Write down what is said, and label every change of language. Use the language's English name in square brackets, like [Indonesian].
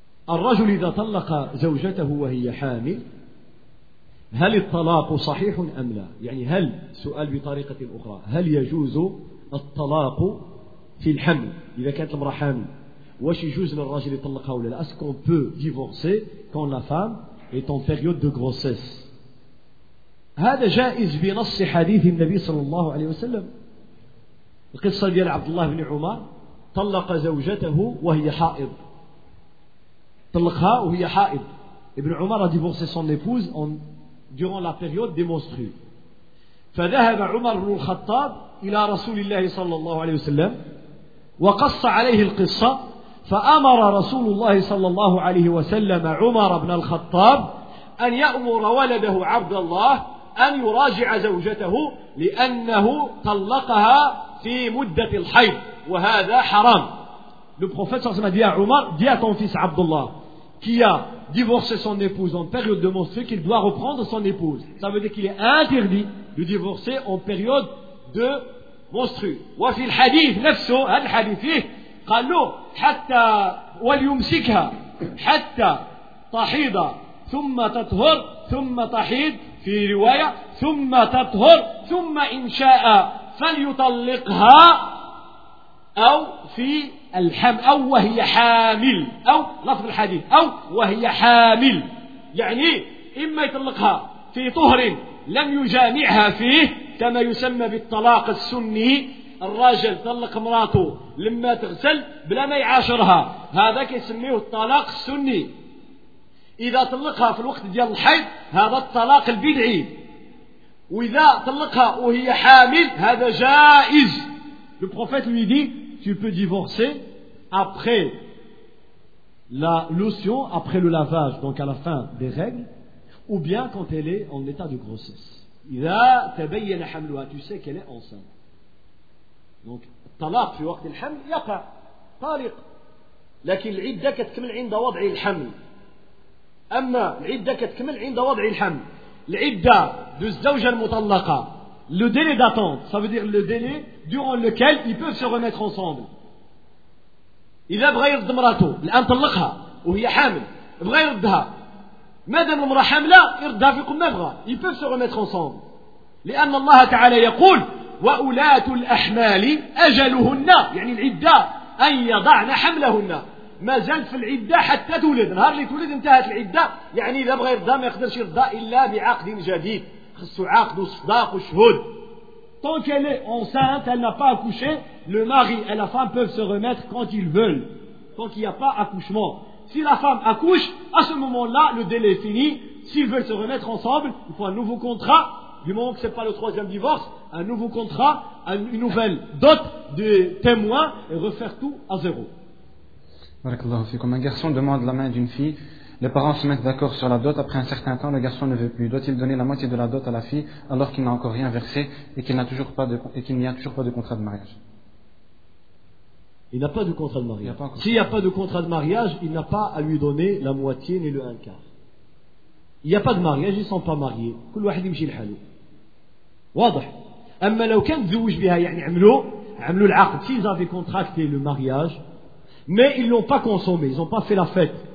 [Arabic] الرجل إذا طلق زوجته وهي حامل هل الطلاق صحيح أم لا؟ يعني هل سؤال بطريقة أخرى، هل يجوز الطلاق في الحمل إذا كانت المرأة حامل؟ واش يجوز للرجل يطلقها ولا لا؟ [French] est-ce qu'on peut divorcer quand la femme est en période de grossesse؟ [Arabic] هذا جائز بنص حديث النبي صلى الله عليه وسلم. القصة ديال عبد الله بن عمر طلق زوجته وهي حائض، طلقها وهي حائض. [French] ابن عمر a divorcé son épouse durant la période des menstrues. [Arabic] فذهب عمر بن الخطاب إلى رسول الله صلى الله عليه وسلم وقص عليه القصة، فأمر رسول الله صلى الله عليه وسلم عمر بن الخطاب أن يأمر ولده عبد الله أن يراجع زوجته لأنه طلقها في مدة الحيض وهذا حرام. [French] Le prophète [Arabic] صلى الله عليه وسلم [French] dit à ton fils Abdullah qui a divorcé son épouse en période de menstrues qu'il doit reprendre son épouse. Ça veut dire qu'il est interdit de divorcer en période de menstrues. [Arabic] وفي الحديث نفسه هذا الحديث فيه قال له حتى وليمسكها حتى تحيض ثم تطهر ثم تحيض في رواية ثم تطهر ثم إن شاء فليطلقها أو في الحمل أو وهي حامل أو لفظ الحديث أو وهي حامل، يعني إما يطلقها في طهر لم يجامعها فيه كما يسمى بالطلاق السني، الراجل طلق امراته لما تغسل بلا ما يعاشرها هذا كيسميه الطلاق السني. إذا طلقها في الوقت ديال الحيض هذا الطلاق البدعي، وإذا طلقها وهي حامل هذا جائز. [French] Le prophète lui dit tu peux divorcer après la lotion, après le lavage, donc à la fin des règles, ou bien quand elle est en état de grossesse. [Arabic] إذا تبين حملها [French] tu sais qu'elle est enceinte. [Arabic] Donc الطلاق في وقت الحمل يقع طالق، لكن العدة كتكمل عند وضع الحمل. أما العدة كتكمل عند وضع الحمل. [French] العدة de [Arabic] الزوجة المطلقة [French] le délai d'attente ça veut dire le délai durant lequel ils peuvent se remettre ensemble. [Arabic] إذا بغى يرد مراته الآن طلقها وهي حامل بغى يردها مادام المرأة حاملة يردها في قمة بغى [French] ils peuvent se remettre ensemble. [Arabic] لأن الله تعالى يقول وأولاة الأحمال أجلهن، يعني العدة أن يضعن حملهن، ما زالت في العدة حتى تولد، نهار اللي تولد انتهت العدة، يعني إذا بغى يرضى ما يقدرش يرضى إلا بعقد جديد، خصو عقد وصداق وشهود. [French] Tant qu'elle est enceinte, elle n'a pas accouché, le mari et la femme peuvent se remettre quand ils veulent. Tant qu'il n'y a pas accouchement. Si la femme accouche, à ce moment-là, le délai est fini. S'ils veulent se remettre ensemble, il faut un nouveau contrat du moment que ce n'est pas le troisième divorce, un nouveau contrat, une nouvelle dot de témoins et refaire tout à zéro. [Arabic] Barakallahu fikoum. [French] Un garçon demande la main d'une fille, les parents se mettent d'accord sur la dot, après un certain temps, le garçon ne veut plus. Doit-il donner la moitié de la dot à la fille alors qu'il n'a encore rien versé et qu'il n'a toujours pas de, et qu'il n'y a toujours pas de contrat de mariage? Il n'a pas de contrat de mariage. S'il n'y a pas de contrat de mariage, il n'a pas à lui donner la moitié ni le un quart. Il n'y a pas de mariage, ils ne sont pas mariés. [Arabic] كل واحد يمشي لحاله. واضح. أما لو كان تزوج بها يعني عملوا العقد. [French] S'ils avaient contracté le mariage, mais ils ne l'ont pas consommé, ils n'ont pas fait la fête.